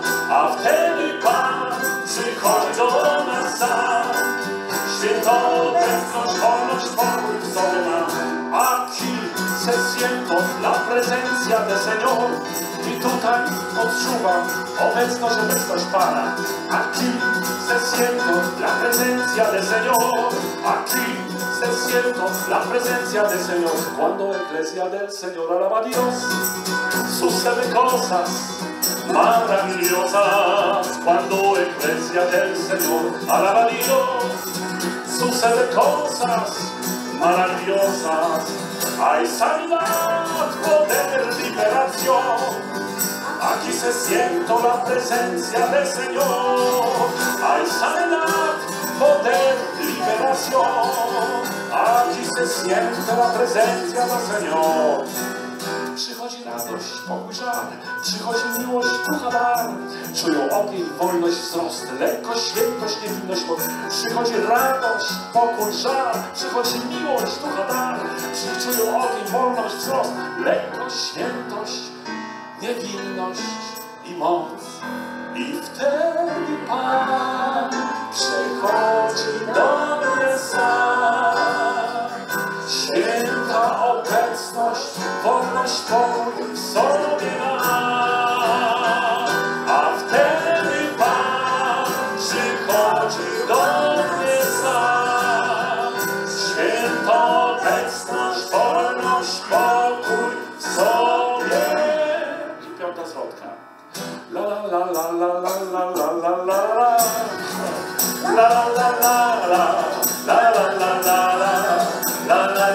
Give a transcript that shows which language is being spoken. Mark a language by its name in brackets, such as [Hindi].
[Polish] A wtedy Pan przychodzi do nas sam, świętą obecność, wolność, pokój w sobie ma. [Spanish] Aquí se siento la presencia de Señor, [Polish] i tutaj odczuwam obecność, obecność Pana. [Spanish] Aquí se siento la presencia de Señor, aquí se siento la presencia de Señor. Cuando la iglesia del Señor alaba a Dios, sucede cosas maravillosas. Cuando la iglesia del Señor alaba a Dios, sucede cosas maravillosas. Hay sanidad, poder, liberación. Aquí se siento la presencia del Señor. Hay sanidad, poder, liberación. Aquí se siente la presencia del Señor. [Polish] Przychodzi radość, pokój, żal, przychodzi miłość, ducha dar, czują ogień, wolność, wzrost, lekkość, świętość, niewinność, moc. Przychodzi radość, pokój, żal, przychodzi miłość, ducha dar, czują ogień, wolność, wzrost, lekkość, świętość, niewinność i moc. I wtedy Pan przychodzi do mnie sam, święta obecność, wolność, pokój w sobie ma. A wtedy Pan przychodzi do mnie sam, święta obecność, wolność, pokój w sobie. I piąta zwrotka. La la la la la la la la la la la la la la la la la la la la la.